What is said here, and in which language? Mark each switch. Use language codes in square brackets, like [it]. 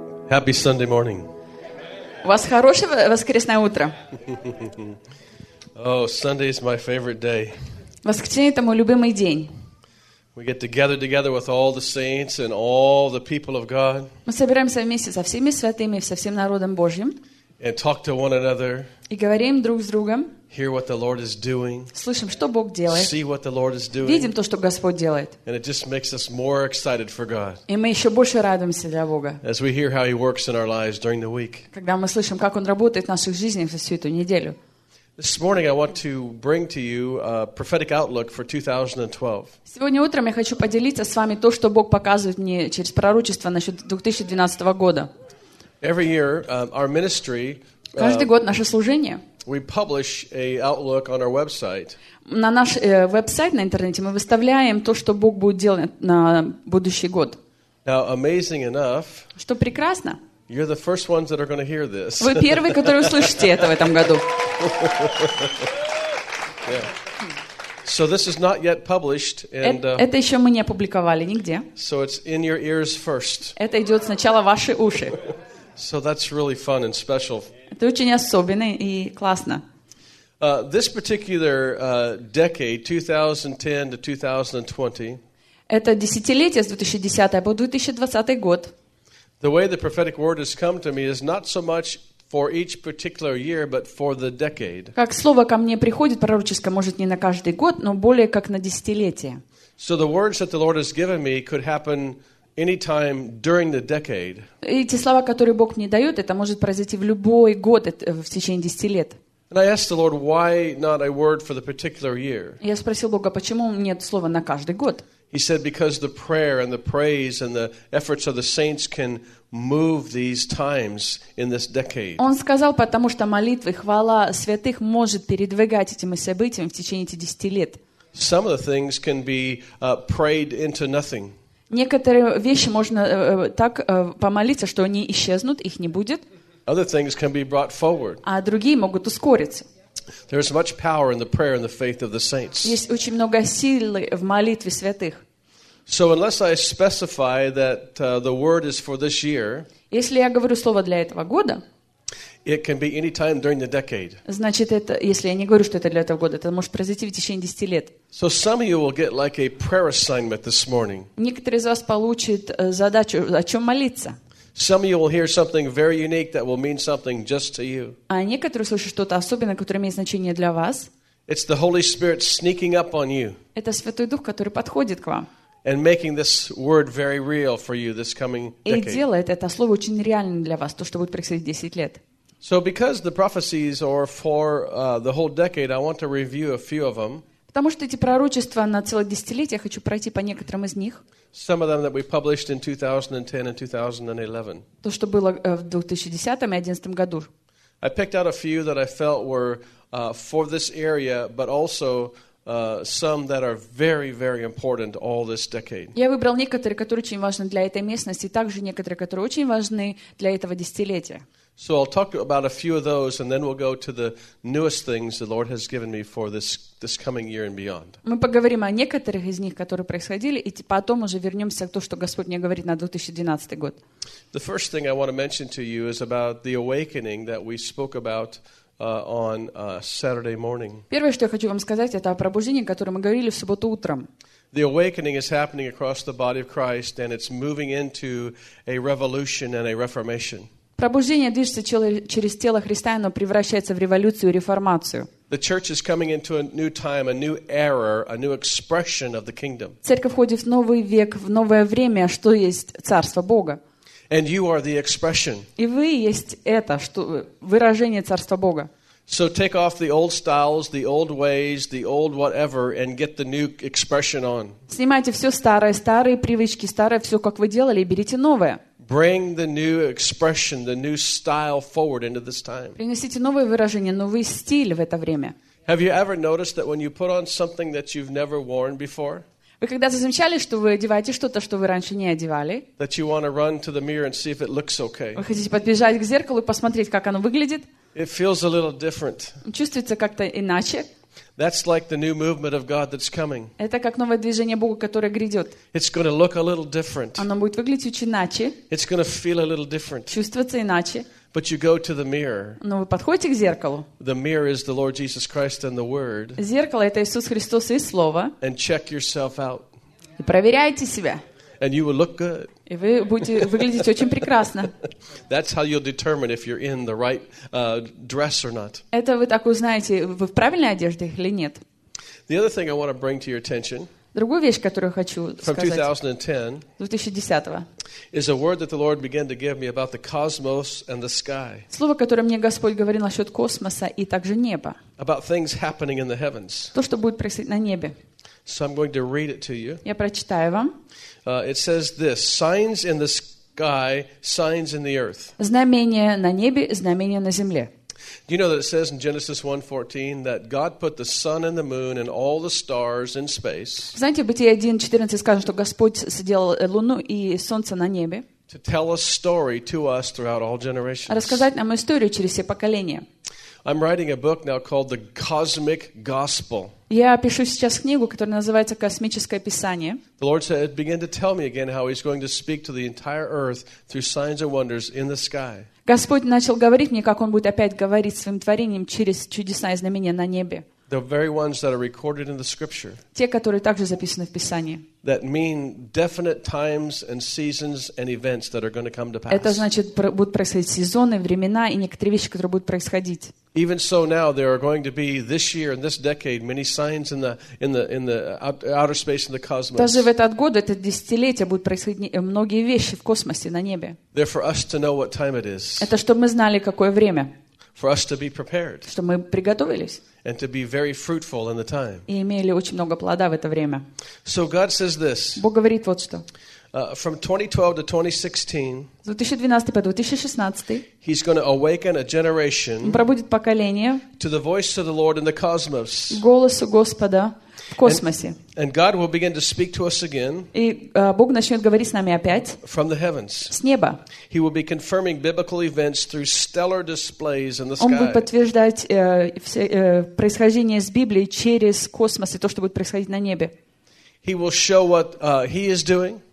[en] Happy Sunday morning. [ru] У вас хорошее воскресное утро. [en] Oh, Sunday is my favorite day. [ru] Воскресенье это мой любимый день. [en] We get to gather together with all the saints and all the people of God. [ru] Мы собираемся вместе со всеми святыми, со всем народом Божьим. [en] And talk to one another. [ru] И говорим друг с другом. [en] Hear what the Lord is doing. [ru] Слышим, что Бог делает. [en] See what the Lord is doing. [ru] Видим то, что Господь делает. [en] And it just makes us more excited for God. [ru] И мы еще больше радуемся для Бога. [en] As we hear how He works in our lives during the week. [ru] Когда мы слышим, как Он работает в наших жизнях за всю эту неделю. [en] This morning I want to bring to you a prophetic outlook for 2012. [ru] Сегодня утром я хочу поделиться с вами то, что Бог показывает мне через пророчество насчет 2012 года. [en] Every year, our ministry. [ru] Каждый год наше служение. [en] We publish a outlook on our website. [ru] На наш веб-сайт на интернете мы выставляем то, что Бог будет делать на будущий год. [en] Now, amazing enough. [ru] Что прекрасно. [en] You're the first ones that are going to hear this. [ru] Вы первые, которые услышите это в этом году. [en] So this is not yet published. And, [ru] это еще мы не опубликовали нигде. [en] So it's in your ears first. [ru] Это идет сначала в ваши уши. [en] So that's really fun and special. [ru] Это очень особенно и классно. [en] This particular decade, 2010 to 2020. [ru] Это десятилетие с 2010 по 2020 год. [en] The way the prophetic word has come to me is not so much for each particular year, but for the decade. [ru] Как слово ко мне приходит пророческое, может не на каждый год, но более как на десятилетие. [en] So the words that the Lord has given me could happen anytime during the decade. [ru] Эти слова, которые Бог мне дает, это может произойти в любой год в течение 10 лет. [en] And I asked the Lord, why not a word for the particular year? [ru] Я спросил Бога, почему нет слова на каждый год? [en] He said, because the prayer and the praise and the efforts of the saints can move these times in this decade. [ru] Он сказал, потому что молитва и хвала святых может передвигать этим событием в течение этих 10 лет. [en] Some of the things can be prayed into nothing. [ru] Некоторые вещи можно так помолиться, что они исчезнут, их не будет. [en] Other things can be brought forward. [ru] А другие могут ускориться. [en] There is much power in the prayer and the faith of the saints. [ru] Есть очень много силы в молитве святых. [en] So unless I specify that the word is for this year, [ru] если я говорю слово для этого года, [en] it can be any time during the decade. [ru] Значит, это, если я не говорю, что это для этого года, это может произойти в течение 10 лет. [en] So some of you will get like a prayer assignment this morning. [ru] Некоторые из вас получат задачу, о чем молиться. [en] Some of you will hear something very unique that will mean something just to you. [ru] А некоторые услышат что-то особенное, которое имеет значение для вас. [en] It's the Holy Spirit sneaking up on you. [ru] Это Святой Дух, который подходит к вам. [en] and making this word very real for you this coming decade. [ru] И делает это слово очень реальным для вас, то, что будет происходить 10 лет. [en] So because the prophecies are for the whole decade, I want to review a few of them. [ru] Потому что эти пророчества на целое десятилетие, я хочу пройти по некоторым из них. [en] Some of them that we published in 2010 and 2011. [ru] То, что было в 2010 и 2011 году. [en] I picked out a few that I felt were for this area, but also some that are very, very important all this decade. [ru] Я выбрал некоторые, которые очень важны для этой местности, и также некоторые, которые очень важны для этого десятилетия. [en] So I'll talk about a few of those, and then we'll go to the newest things the Lord has given me for this coming year and beyond. [ru] Мы поговорим о некоторых из них, которые происходили, и потом уже вернемся к тому, что Господь мне говорит на 2012 год. [en] The first thing I want to mention to you is about the awakening that we spoke about on Saturday morning. [ru] Первое, что я хочу вам сказать, это о пробуждении, о котором мы говорили в субботу утром. [en] The awakening is happening across the body of Christ, and it's moving into a revolution and a reformation. [ru] Пробуждение движется через тело Христа, оно превращается в революцию и реформацию. [en] The church is coming into a new time, a new era, a new expression of the kingdom. [ru] Церковь входит в новый век, в новое время, что есть царство Бога. [en] And you are the expression. [ru] И вы есть это, что выражение царства Бога. [en] So take off the old styles, the old ways, the old whatever, and get the new expression on. [ru] Снимайте все старое, старые привычки, старое все, как вы делали, и берите новое. [en] Bring the new expression, the new style forward into this time. [ru] Принесите новое выражение, новый стиль в это время. [en] Have you ever noticed that when you put on something that you've never worn before? [ru] Вы когда-то замечали, что вы одеваете что-то, что вы раньше не одевали? [en] That you want to run to the mirror and see if it looks okay. [ru] Вы хотите подбежать к зеркалу и посмотреть, как оно выглядит? [en] It feels a little different. [ru] Чувствуется как-то иначе. [en] That's like the new movement of God that's coming. [ru] Это как новое движение Бога, которое грядет. [en] It's going to look a little different. [ru] Оно будет выглядеть очень иначе. [en] It's going to feel a little different. [ru] Чувствоваться иначе. [en] But you go to the mirror. [ru] Но вы подходите к зеркалу. [en] The mirror is the Lord Jesus Christ and the Word. [ru] Зеркало это Иисус Христос и Слово. [en] And check yourself out. [ru] И проверяйте себя. [en] And you will look good. [ru] И вы будете выглядеть очень прекрасно. [en] That's how you'll determine if you're in the right dress or not. [ru] Это вы так узнаете, вы в правильной одежде или нет. [en] The other thing I want to bring to your attention. [ru] Другую вещь, которую хочу [en] from [ru] сказать. 2010. [en] Is a word that the Lord began to give me about the cosmos and the sky. [ru] Слово, которое мне Господь говорил насчет космоса и также неба. [en] About things happening in the heavens. [ru] То, что будет происходить на небе. [en] So I'm going to read it to you. [ru] Я прочитаю вам. [en] It says this: signs in the sky, signs in the earth. [ru] Знамения на небе, знамения на земле. [en] Do you know that it says in Genesis 1:14 that God put the sun and the moon and all the stars in space? [ru] Знаете, Бытие 1:14 сказано, что Господь сделал луну и солнце на небе. [en] To tell a story to us throughout all generations. [ru] Рассказать нам историю через все поколения. [en] I'm writing a book now called The Cosmic Gospel. [ru] Я пишу сейчас книгу, которая называется «Космическое Писание». [en] The Lord said, begin to tell me again how He's going to speak to the entire earth through signs and wonders in the sky. [ru] Господь начал говорить мне, как Он будет опять говорить своим творением через чудеса и знамения на небе. [en] The very ones that are recorded in the Scripture. [ru] Те, которые также записаны в Писании. [en] That mean definite times and seasons and events that are going to come to pass. [ru] Это значит, будут происходить сезоны, времена и некоторые вещи, которые будут происходить. [en] Even so, now there are going to be this year and this decade many signs in the outer space in the cosmos. [ru] Даже в этот год, это десятилетие будут происходить многие вещи в космосе, на небе. [en] They're for us to know what time it is. [ru] Это чтобы мы знали, какое время. [en] For us to be prepared. [ru] Чтобы мы приготовились. [en] And to be very fruitful in the time. [ru] И имели очень много плода в это время. [en] So God says this. [ru] Бог говорит вот что. [en] From 2012 to 2016. [ru] С 2012 по 2016. [en] He's going to awaken a generation. [ru] Он пробудит поколение. [en] To the voice of the Lord in the cosmos. [ru] Голосу Господа в космосе. [en] And God will begin to speak to us again. [ru] И Бог начнет говорить с нами опять. [en] From the heavens. [ru] С неба. [en] He will be confirming biblical events through stellar displays in the sky. [ru] Он будет подтверждать все происхождение из Библии через космос и то, что будет происходить на небе. [en] He will show what he is doing.